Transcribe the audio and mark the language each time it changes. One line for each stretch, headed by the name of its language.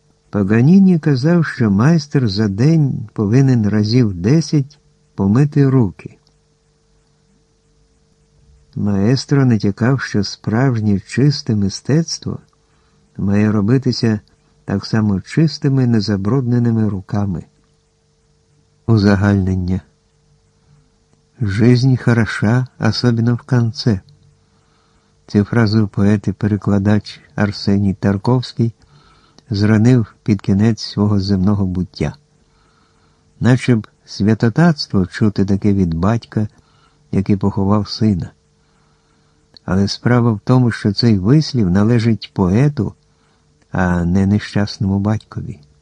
Ukrainian: Паганіні казав, що майстер за день повинен разів 10 помити руки. Маестро натякав, що справжнє чисте мистецтво має робитися так само чистими, незабрудненими руками. Узагальнення.
Russian: «Жизнь хороша, особенно в конце».
Ukrainian: Цю фразу поет і перекладач Арсеній Тарковський зранив під кінець свого земного буття. Наче б святотатство чути таке від батька, який поховав сина. Але справа в тому, що цей вислів належить поету, а не нещасному батькові.